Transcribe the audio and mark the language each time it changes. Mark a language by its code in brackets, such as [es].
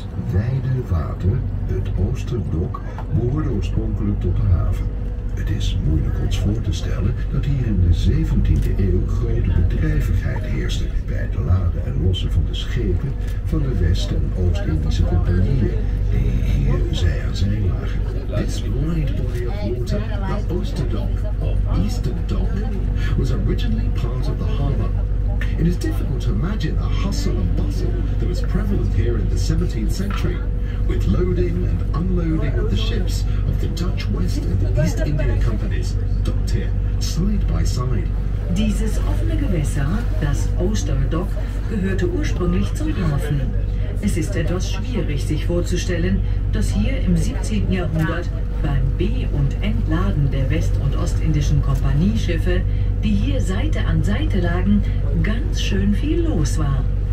[nl] kleine water, het Oosterdok, behoorde oorspronkelijk tot de haven. Het is moeilijk ons voor te stellen dat hier in de 17e eeuw grote bedrijvigheid heerste bij het laden en lossen van de schepen van de West- en Oost-Indische compagnieën die hier zij aan zij lagen. [en] This wide body of water, the Oosterdok of Easterdok, was originally part of the harbor. It is difficult to imagine the hustle and bustle that was prevalent here in the 17th century, with loading and unloading of the ships of the Dutch West and East India Companies, docked here, side by side. [de] Dieses offene Gewässer, das Oosterdok, gehörte ursprünglich zum Hafen. Es ist etwas schwierig, sich vorzustellen, dass hier im 17. Jahrhundert beim Be- und Entladen der West- und Ostindischen Kompanieschiffe, die hier Seite an Seite lagen, ganz schön viel los war.